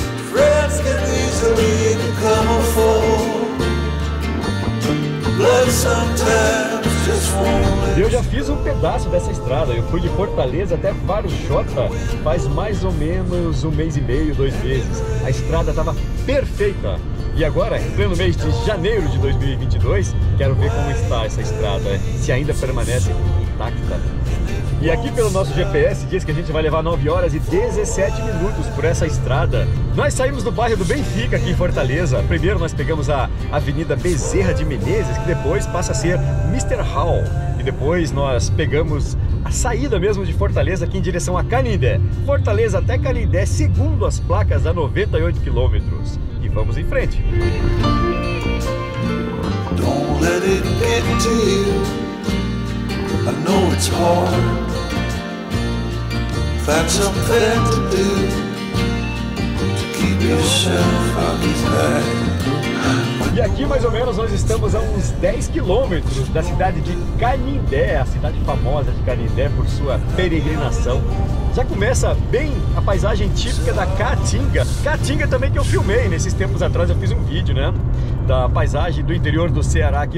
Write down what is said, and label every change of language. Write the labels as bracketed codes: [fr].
[en] Friends can easily become a foe. Blood sometimes. [pt] Eu já fiz um pedaço dessa estrada, eu fui de Fortaleza até Varjota faz mais ou menos um mês e meio, dois meses. A estrada estava perfeita e agora, entrando no mês de janeiro de 2022, quero ver como está essa estrada, se ainda permanece intacta. E aqui pelo nosso GPS diz que a gente vai levar 9 horas e 17 minutos por essa estrada. Nós saímos do bairro do Benfica aqui em Fortaleza. Primeiro nós pegamos a Avenida Bezerra de Menezes, que depois passa a ser Mr. Hall. E depois nós pegamos a saída mesmo de Fortaleza aqui em direção a Canindé. Fortaleza até Canindé, segundo as placas, a 98 quilômetros. E vamos em frente. [en] Don't let it get to you. I know it's hard. Find something to do to keep yourself out of his head. [pt] E aqui, mais ou menos, nós estamos a uns 10 quilômetros da cidade de Canindé, a cidade famosa de Canindé por sua peregrinação. Já começa bem a paisagem típica da Caatinga. Caatinga também que eu filmei nesses tempos atrás, eu fiz um vídeo, né? Da paisagem do interior do Ceará aqui.